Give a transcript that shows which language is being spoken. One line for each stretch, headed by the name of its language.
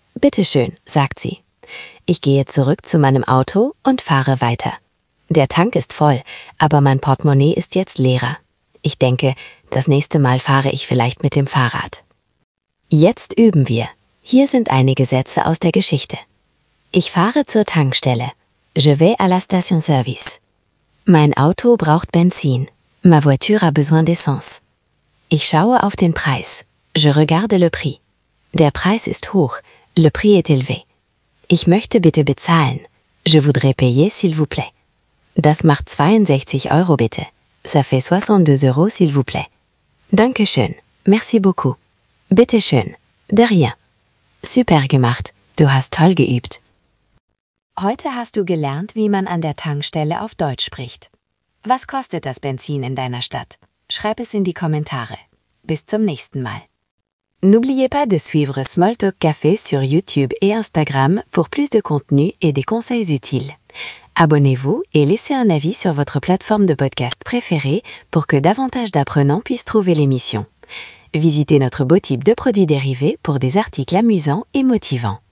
German: Bitteschön, sagt sie. Ich gehe zurück zu meinem Auto und fahre weiter. Der Tank ist voll, aber mein Portemonnaie ist jetzt leerer. Ich denke, das nächste Mal fahre ich vielleicht mit dem Fahrrad. Jetzt üben wir. Hier sind einige Sätze aus der Geschichte. Ich fahre zur Tankstelle.
French: Je vais à la station service.
German: Mein Auto braucht Benzin.
French: Ma voiture a besoin d'essence.
German: Ich schaue auf den Preis.
French: Je regarde le prix.
German: Der Preis ist hoch.
French: Le prix est élevé.
German: Ich möchte bitte bezahlen.
French: Je voudrais payer, s'il vous plaît.
German: Das macht 62 Euro bitte.
French: Ça fait 62 euros, s'il vous plaît.
German: Dankeschön.
French: Merci beaucoup.
German: Bitteschön.
French: De rien.
German: Super gemacht. Du hast toll geübt. Heute hast du gelernt, wie man an der Tankstelle auf Deutsch spricht. Was kostet das Benzin in deiner Stadt? Schreib es in die Kommentare. Bis zum nächsten Mal.
French: N'oubliez pas de suivre Smalltalk Café sur YouTube et Instagram pour plus de contenu et des conseils utiles. Abonnez-vous et laissez un avis sur votre plateforme de podcast préférée pour que davantage d'apprenants puissent trouver l'émission. Visitez notre boutique de produits dérivés pour des articles amusants et motivants.